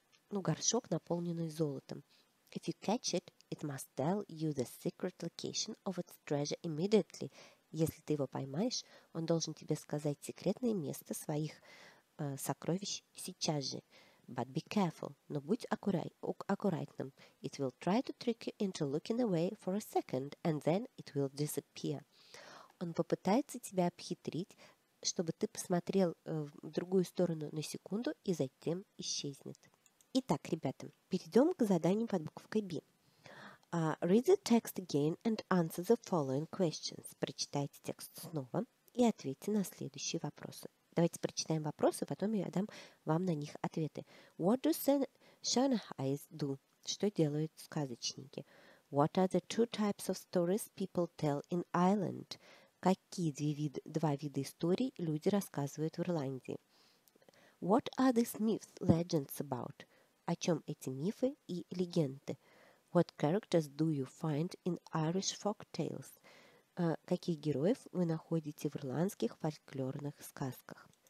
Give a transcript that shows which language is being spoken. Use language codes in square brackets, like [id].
[ru] Ну, горшок, наполненный золотом. [en] If you catch it, it must tell you the secret location of its treasure immediately. [ru] Если ты его поймаешь, он должен тебе сказать секретное место своих сокровищ сейчас же. [en] But be careful. [ru] Но будь аккуратным. [en] It will try to trick you into looking away for a second, and then it will disappear. [ru] Он попытается тебя обхитрить, чтобы ты посмотрел в другую сторону на секунду, и затем исчезнет. Итак, ребята, перейдем к заданию под буквой B. [en] Read the text again and answer the following questions. [ru] Прочитайте текст снова и ответьте на следующие вопросы. Давайте прочитаем вопросы, потом я дам вам на них ответы. [en] What do Shanahais do? [ru] Что делают сказочники? [en] What are the two types of stories people tell in Ireland? [ru] Какие два вида историй люди рассказывают в Ирландии? [en] What are these myths, legends about? [ru] О чем эти мифы и легенды? [en] What characters do you find in Irish folk tales? [ru] каких героев вы находите в ирландских фольклорных сказках.